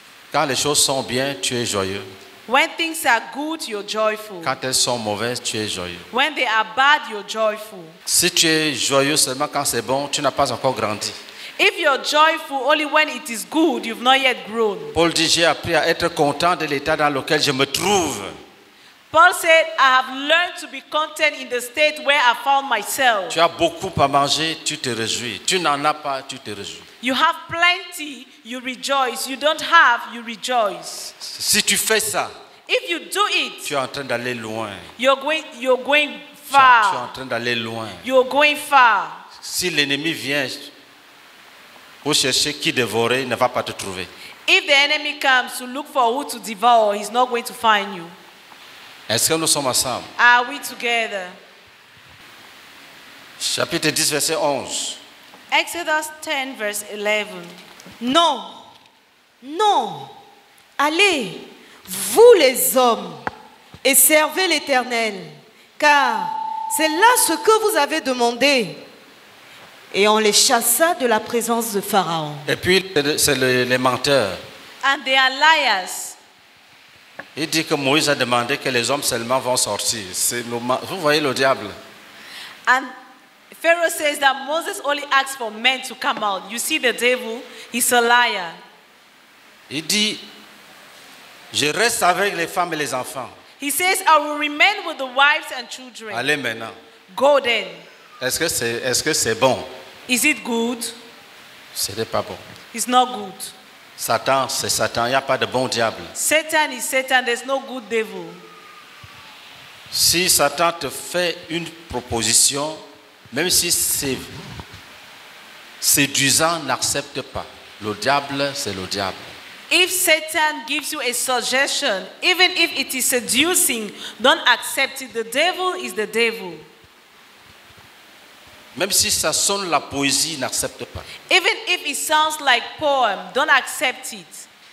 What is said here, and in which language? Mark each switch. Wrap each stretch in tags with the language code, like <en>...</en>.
<fr>Quand les choses sont bien, tu es joyeux.</fr> <en>When things are good, you're joyful.</en> <fr>Quand elles sont mauvaises, tu es joyeux.</fr> <en>When they are bad, you're joyful.</en> <fr>Si tu es joyeux seulement quand c'est bon, tu n'as pas encore grandi.</fr> <en>If you're joyful only when it is good, you've not yet grown.</en> <fr>Paul dit, j'ai appris à être content de l'état dans lequel je me trouve.</fr> <en>Paul said, I have learned to be content in the state where I found myself.</en> <fr>Tu as beaucoup à manger, tu te réjouis. Tu n'en as pas, tu te réjouis.</fr> <en>You have plenty, you rejoice. You don't have, you rejoice.</en> <fr>Si tu fais ça,</fr> <en>if you do it,</en> <fr>tu es en train d'aller loin.</fr> <en>You're going far.</en> <fr>Tu es en train d'aller loin.</fr> <en>You are going far.</en> <fr>Si l'ennemi vient pour chercher qui dévorer, il ne va pas te trouver.</fr> <en>If the enemy comes to look for who to devour, he's not going to find you.</en> <fr>Est-ce que nous sommes ensemble?</fr> <en>Are we together?</en> <fr>Chapitre 10, verset 11.</fr> <en>Exodus 10, verse 11.</en> <fr>Non, non, allez, vous les hommes, et servez l'Éternel, car c'est là ce que vous avez demandé. Et on les chassa de la présence de Pharaon. Et puis, c'est les menteurs.</fr> <en>And they are liars.</en> <fr>Il dit que Moïse a demandé que les hommes seulement vont sortir. C'est le, vous voyez le diable.</fr> <en>And Pharaoh says that Moses only asked for men to come out. You see the devil, he's a liar.</en> <fr>Il dit, je reste avec les femmes et les enfants.</fr> <en>He says, I will remain with the wives and children.</en> <fr>Allez maintenant.</fr> <en>Go then.</en> <fr>Est-ce que c'est bon?</fr> <en>Is it good?</en> <fr>Ce n'est pas bon.</fr> <en>It's not good.</en> <fr>Satan, c'est Satan. Il n'y a pas de bon diable.</fr> <en>Satan is Satan. There's no good devil.</en> <fr>Si Satan te fait une proposition, même si c'est séduisant, n'accepte pas. Le diable, c'est le diable.</fr> <en>If Satan gives you a suggestion, even if it is seducing, don't accept it. The devil is the devil.</en> <fr>Même si ça sonne la poésie, n'accepte pas.</fr> <en>Even if it sounds like poem, don't accept it.</en>